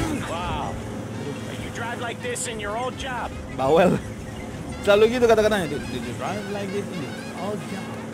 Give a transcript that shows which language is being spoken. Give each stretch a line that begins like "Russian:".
English: Wow, you drive like this in your old job?
Indonesian: Bawel, selalu gitu kata-katanya.
English: Did you drive like this in your old job?